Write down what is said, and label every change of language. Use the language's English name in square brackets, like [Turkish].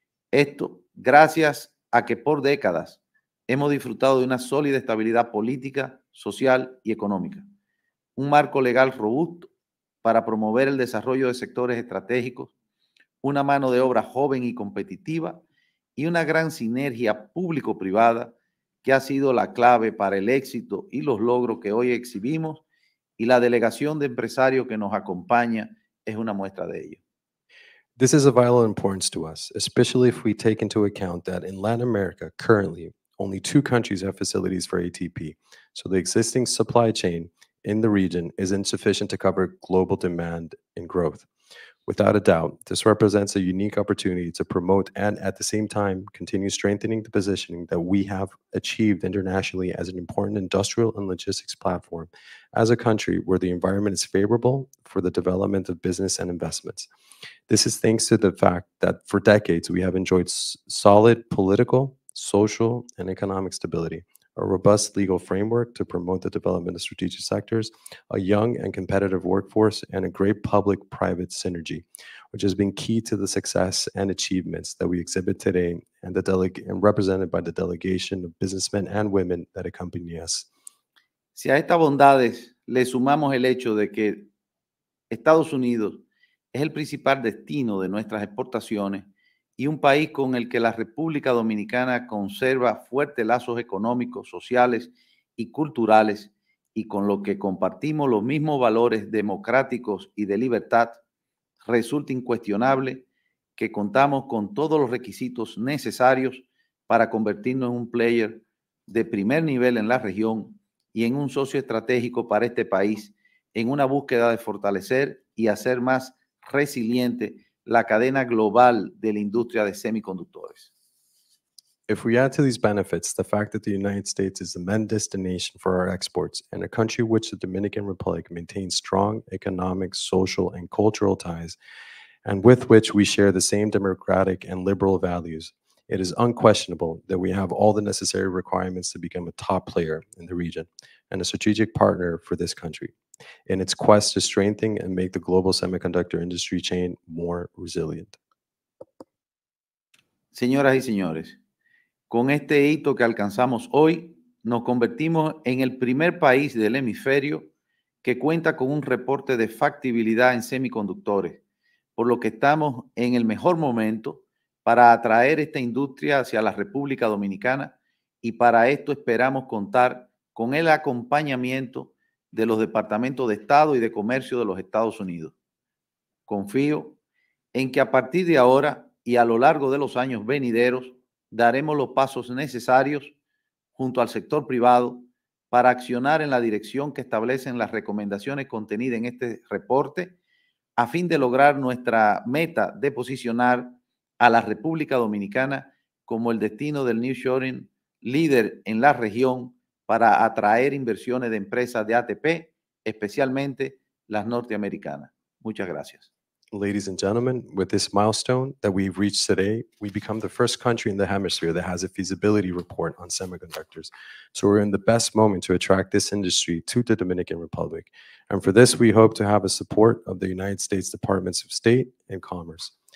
[Spanish] Esto, gracias a que por décadas hemos disfrutado de una sólida estabilidad política, social y económica, un marco legal robusto para promover el desarrollo de sectores estratégicos, una mano de obra joven y competitiva y una gran sinergia público-privada que ha sido la clave para el éxito y los logros que hoy exhibimos y la delegación de empresarios que nos acompaña es una muestra de ello. [English] This is of vital importance to us, especially if we take into account that in Latin America, currently, only two countries have facilities for ATP, so the existing supply chain in the region is insufficient to cover global demand and growth. Without a doubt, this represents a unique opportunity to promote and, at the same time, continue strengthening the positioning that we have achieved internationally as an important industrial and logistics platform, as a country where the environment is favorable for the development of business and investments. This is thanks to the fact that for decades we have enjoyed solid political, social, and economic stability, a robust legal framework to promote the development of strategic sectors, a young and competitive workforce, and a great public-private synergy, which has been key to the success and achievements that we exhibit today and represented by the delegation of businessmen and women that accompany us. [Spanish] Si a estas bondades le sumamos el hecho de que Estados Unidos es el principal destino de nuestras exportaciones y un país con el que la República Dominicana conserva fuertes lazos económicos, sociales y culturales y con lo que compartimos los mismos valores democráticos y de libertad, resulta incuestionable que contamos con todos los requisitos necesarios para convertirnos en un player de primer nivel en la región y en un socio estratégico para este país en una búsqueda de fortalecer y hacer más resiliente la cadena global de la industria de semiconductores. [English] If we add to these benefits the fact that the United States is the main destination for our exports and a country which the Dominican Republic maintains strong economic, social, and cultural ties, and with which we share the same democratic and liberal values, it is unquestionable that we have all the necessary requirements to become a top player in the region and a strategic partner for this country in its quest to strengthen and make the global semiconductor industry chain more resilient. [Spanish] Señoras y señores, con este hito que alcanzamos hoy, nos convertimos en el primer país del hemisferio que cuenta con un reporte de factibilidad en semiconductores, por lo que estamos en el mejor momento para atraer esta industria hacia la República Dominicana y para esto esperamos contar con el acompañamiento de los departamentos de Estado y de Comercio de los Estados Unidos. Confío en que a partir de ahora y a lo largo de los años venideros, daremos los pasos necesarios junto al sector privado para accionar en la dirección que establecen las recomendaciones contenidas en este reporte a fin de lograr nuestra meta de posicionar a la República Dominicana como el destino del nearshoring líder en la región para atraer inversiones de empresas de ATP, especialmente las norteamericanas. Muchas gracias. [English] Ladies and gentlemen, with this milestone that we've reached today, we become the first country in the hemisphere that has a feasibility report on semiconductors. So we're in the best moment to attract this industry to the Dominican Republic. And for this, we hope to have a support of the United States Departments of State and Commerce.